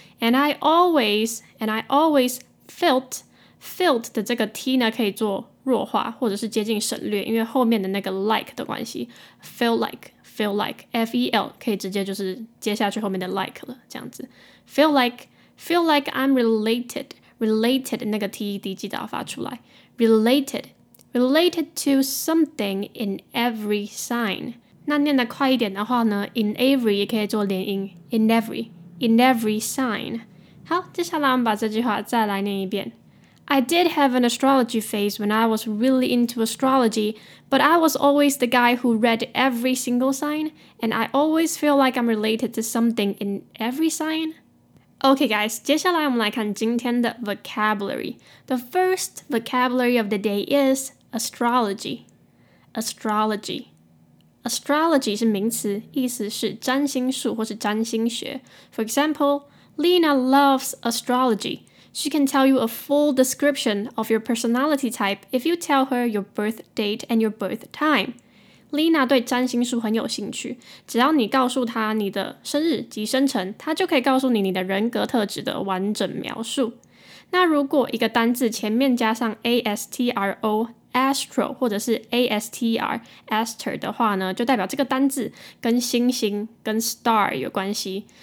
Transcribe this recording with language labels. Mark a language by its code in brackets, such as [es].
[en] and I always felt [zh] 的这个 t 呢可以做弱化或者是接近省略，因为后面的那个 like 的关系 feel like f-e-l 可以直接就是接下去后面的 like 了，这样子 [en] feel like I'm related [zh] 那个 t-e-d 记得要发出来 [en] related to something in every sign。 [zh] 那念得快一点的话呢， in every 也可以做连音 [en] in every sign。 [zh] 好，接下来我们把这句话再来念一遍。 [en] I did have an astrology phase when I was really into astrology, but I was always the guy who read every single sign, and I always feel like I'm related to something in every sign. Okay guys, [zh] 接下来我们来看今天的 vocabulary. [en] The first vocabulary of the day is astrology. [zh] Astrology. Astrology 是名词，意思是占星术或是占星学。 [en] For example, Lena loves astrology. She can tell you a full description of your personality type if you tell her your birth date and your birth time. [zh] Lena 对占星术很有兴趣，只要你告诉她你的生日及生辰，她就可以告诉你你的人格特质的完整描述。那如果一个单字前面加上 astro astro 或者是 astr aster 的话呢，就代表这个单字跟星星跟 star 有关系。